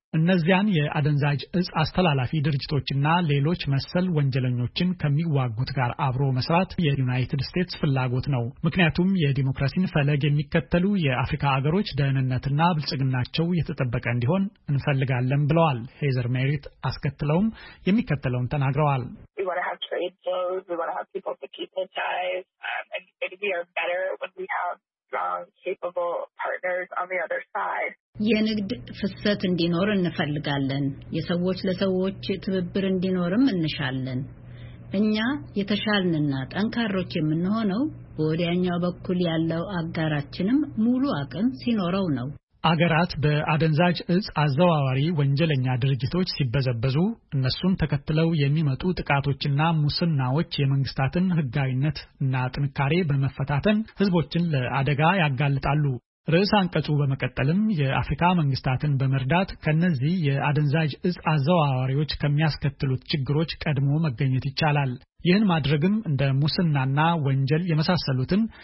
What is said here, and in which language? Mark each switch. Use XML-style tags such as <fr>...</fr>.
<am>እነዚያን የአደንዛዥ እጽ አስተላላፊ ድርጅቶችና ሌሎች መሰል ወንጀለኞችን ከሚዋጉት ጋር አብሮ መስራት የዩናይትድ ስቴትስ ፍላጎት ነው። ምክንያቱም የዲሞክራሲን ፈለግ የሚከተሉ የአፍሪካ አገሮች ደህንነትና ብልጽግናቸው የተጠበቀ እንዲሆን እንፈልጋለን ብለዋል። ሄዘር ሜሪት አስከትለውም የሚከተለውን ተናግረዋል።</am> <en>We want to have trade flows. We want to have people to keep their ties. And we are better when we have capable partners on the other side.</en> <am>የንግድ ፍሰት እንዲኖር እንፈልጋለን። የሰዎች ለሰዎች ትብብር እንዲኖርም እንሻለን። እኛ የተሻልንና ጠንካሮች የምንሆነው በወዲያኛው በኩል ያለው አጋራችንም ሙሉ አቅም ሲኖረው ነው። አገራት በአደንዛጅ እጽ አዘዋዋሪ ወንጀለኛ ድርጅቶች ሲበዘበዙ እነሱን ተከትለው የሚመጡ ጥቃቶችና ሙስናዎች የመንግስታትን ህጋዊነትና ጥንካሬ በመፈታተን ህዝቦችን ለአደጋ ያጋልጣሉ። ርዕስ አንቀጹ በመቀጠልም የአፍሪካ መንግስታትን በመርዳት ከነዚህ የአደንዛጅ እጽ አዘዋዋሪዎች ከሚያስከትሉት ችግሮች ቀድሞ መገኘት ይቻላል። ይህን ማድረግም እንደ ሙስናና ወንጀል የመሳሰሉትን</am>